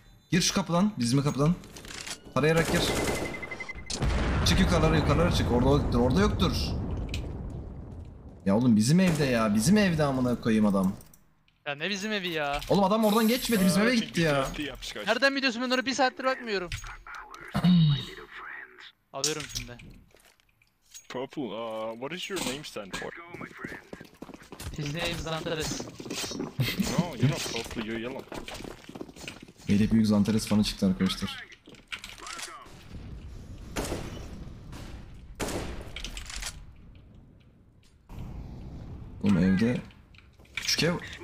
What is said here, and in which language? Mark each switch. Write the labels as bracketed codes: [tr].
[tr] Gir şu kapıdan, bizim kapıdan. Tarayarak gir. Çık yukarılara, yukarılara çık. Orada yoktur, orada yoktur. Ya oğlum bizim evde ya, bizim evde amına koyayım adam. Ya ne bizim evi ya? Oğlum adam oradan geçmedi, bizim eve gitti ya. Nereden biliyorsun, ben oraya bir saattir bakmıyorum. Alıyorum şimdi. [en] Purple, what is your name stand for? His name is Zantares. No, you're not purple, you're yellow. [tr] Beyde büyük Zantares fanı çıktı arkadaşlar. Oğlum evde... Küçük ev...